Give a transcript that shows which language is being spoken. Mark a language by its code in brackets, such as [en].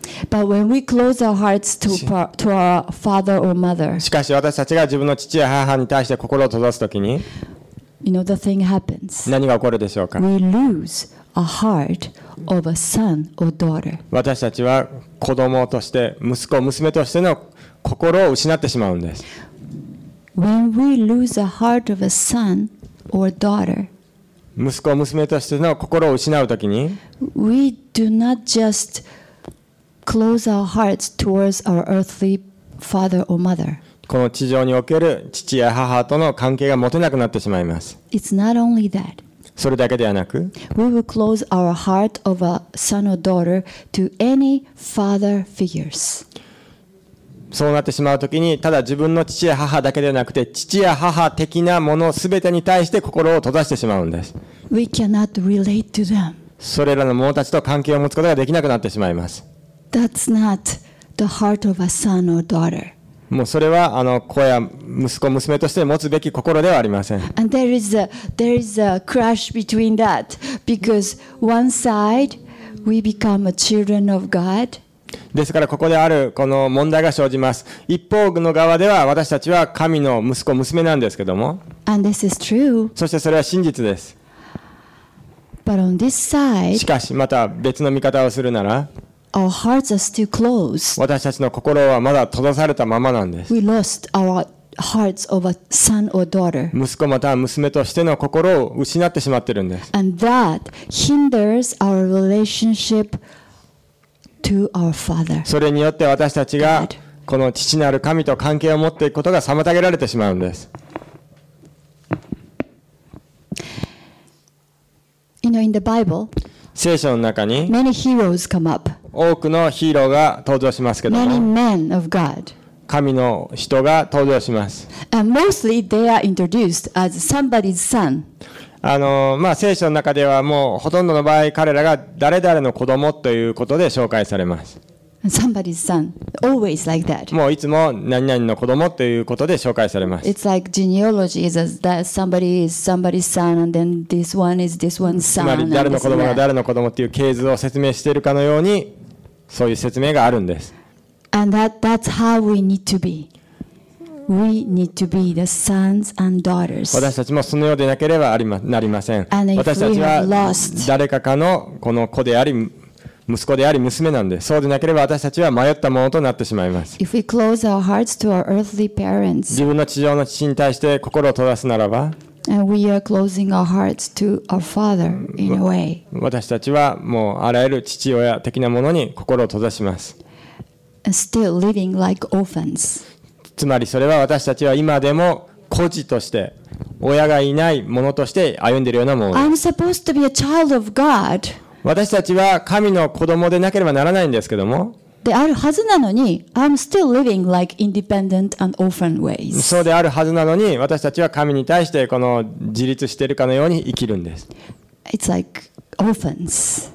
[en] But when we close our hearts to our father or mother, [ja] しかし私たちが自分の父や母に対して心を閉ざすときに、 [en] you know, the thing happens. [ja] 何が起こるでしょうか。 [en] We lose a heart of a son or daughter. [ja] 私たちは子供として、息子娘としての心を失ってしまうんです。 [en] When we lose a heart of a son or daughter, [ja] 息子娘としての心を失うときに、 [en] we do not just close our hearts towards our earthly father or mother. [ja] この地上における父や母との関係が持てなくなってしまいます。 [en] It's not only that. [ja] それだけではなく、 [en] we will close our heart of a son or daughter to any father figures. [ja] そうなってしまうときに、ただ自分の父や母だけではなくて、父や母的なものすべてに対して心を閉ざしてしまうんです。 [en] We cannot relate to them. [ja] それらの者たちと関係を持つことができなくなってしまいます。 [en] That's not the heart of a son or daughter. [ja] もうそれは子や息子娘として持つべき心ではありません。 [en] And there is a crash between that because one side we become a children of God. [ja] ですからここであるこの問題が生じます。一方の側では私たちは神の息子娘なんですけども。 [en] And this is true. [ja] そしてそれは真実です。 [en] But on this side. [ja] しかしまた別の見方をするなら。 [en] Our hearts are still closed. [ja] 私たちの心はまだ閉ざされたままなんです。 [en] We lost our hearts of a son or daughter. [ja] 息子または娘としての心を失ってしまってるんです。 [en] And that hinders our relationship to our father. [ja] それによって私たちがこの父なる神と関係を持っていくことが妨げられてしまうんです。 [en] You know, in the Bible, [ja] 聖書の中に [en] many heroes come up. [ja] 多くのヒーローが登場しますけども、 [en] Many men of God. [ja] 神の人が登場します。 [en] And mostly they are introduced as somebody's son. [ja] まあ、聖書の中ではもうほとんどの場合彼らが誰々の子供ということで紹介されます。 [en] Somebody's son. Always like that. [ja] もういつも何々の子供ということで紹介されます。 [en] It's like genealogy is that somebody is somebody's son and then this one is this one's son. [ja] つまり誰の子供が誰の子供という系図を説明しているかのように、そういう説明があるんです。 [en] And that's how we need to be. We need to be the sons and daughters. [ja] 私たちもそのようでなければなりません。私たちは誰かかのこの子であり、息子であり娘なんで、そうでなければ私たちは迷ったものとなってしまいます。 [en] If we close our hearts to our earthly parents, [ja] 自分の地上の父に対して心を閉ざすならば、 [en] And we are closing our hearts to our father in a way. [ja] 私たちはもうあらゆる父親的なものに心を閉ざします。 [en] Still living like orphans. [ja] つまりそれは私たちは今でも孤児として、親がいないものとして歩んでいるようなものです。 [en] I'm supposed to be a child of God. [ja] 私たちは神の子供でなければならないんですけども。であるはずなのに、 [en] I'm still living like independent and orphan ways. [ja] そうであるはずなのに、私たちは神に対してこの自立しているかのように生きるんです。 [en] It's like orphans.